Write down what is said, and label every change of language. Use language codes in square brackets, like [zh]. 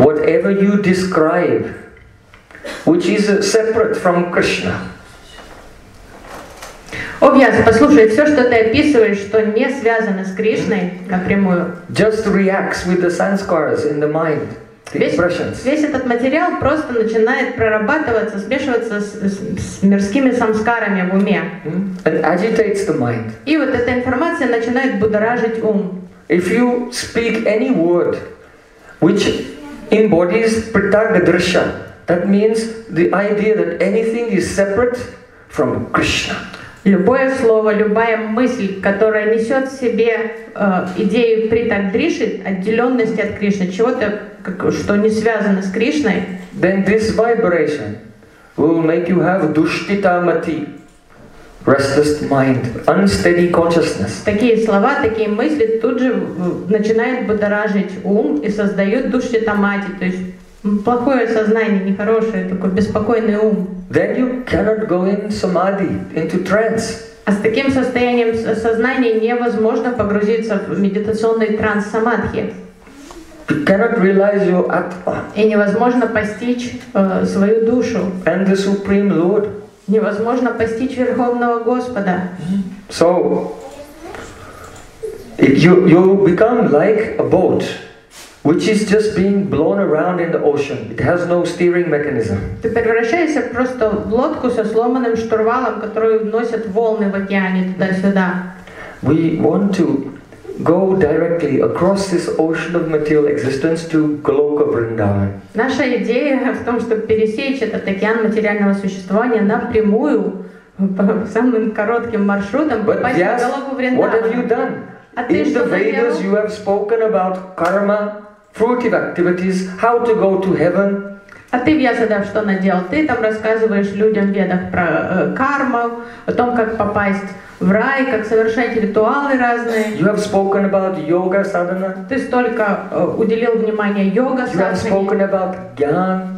[en] whatever you describe which is separate from Krishna. [ru] О, Вьяс, послушай, все, что ты описываешь, что не связано с Кришной напрямую. [en] Just reacts with the sanskaras in the mind, the expressions. [ru] Весь этот материал просто начинает прорабатываться, смешиваться с мирскими самскарами в уме. [en] And agitates the mind. [ru] И вот эта информация начинает будоражить ум. [en] If you speak any word which embodies pritagadrishya, that means the idea that anything is separate from Krishna. [ru] Любое слово, любая мысль, которая несет в себе идею притагдриши, отделенности от Кришны, чего-то, что не связано с Кришной. [en] Then this vibration will make you have duṣṭita mati, restless mind, unsteady consciousness. [ru] Такие слова, такие мысли тут же начинают будоражить ум и создают duṣṭita mati, то есть плохое сознание, нехорошее, такой беспокойный ум. [en] Then you cannot go in samadhi, into trance. [ru] А с таким состоянием сознания невозможно погрузиться в медитационный транс самадхи. [en] You cannot realize your atma. [ru] И невозможно постичь свою душу. [en] And the Supreme Lord. [ru] Невозможно постичь Верховного Господа. [en] So, you become like a boat, which is just being blown around in the ocean. It has no steering mechanism. [ru] Ты превращаешься просто в лодку со сломанным штурвалом, которую носят волны в океане туда-сюда. [en] We want to go directly across this ocean of material existence to Goloka Vrindavan. [ru] Наша идея в том, чтобы пересечь этот океан материального существования напрямую по самым коротким маршрутам попасть в Голоку Вриндаван. [en] What have you done? In the Vedas you have spoken about karma, fruitive activities, how to go to heaven. [ru] А ты, Вьясадев, что наделал? Ты там рассказываешь людям в Ведах про карму, о том, как попасть в рай, как совершать ритуалы разные. [en] You have spoken about yoga sadhana. [ru] Ты столько уделил внимания йога [en] sadhana. You have spoken about gyan.